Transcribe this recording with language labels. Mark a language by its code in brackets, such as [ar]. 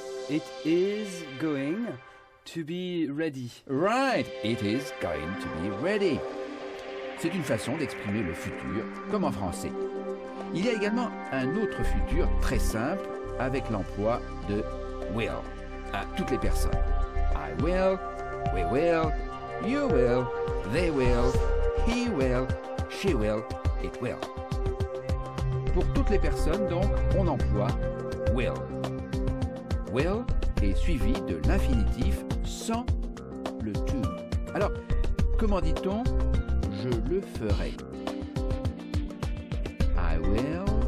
[en] It is going to be ready. Right. It is going to be ready. [fr] C'est une façon d'exprimer le futur, comme en français. Il y a également un autre futur très simple avec l'emploi de will à toutes les personnes. [en] I will, we will, you will, they will, he will, she will, it will. [fr] Pour toutes les personnes, donc, on emploie will. Will est suivi de l'infinitif sans le to. Alors, comment dit-on je le ferai? [en] I will